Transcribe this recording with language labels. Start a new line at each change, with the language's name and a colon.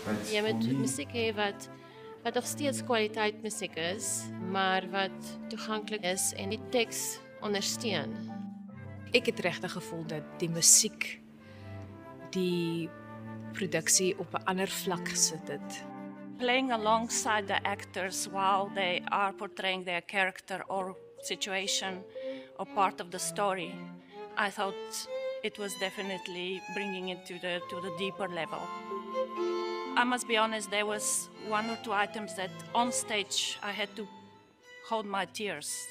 Afrikaans: Jy moet muziek hê wat nog steeds kwaliteit muziek is, maar wat toeganklik is en die teks ondersteun. Ek het regtig gevoel dat die muziek die produksie op 'n ander vlak gesit het.
English: Playing alongside the actors while they are portraying their character or situation or part of the story, I thought it was definitely bringing it to the deeper level. I must be honest, there was one or two items that on stage I had to hold my tears.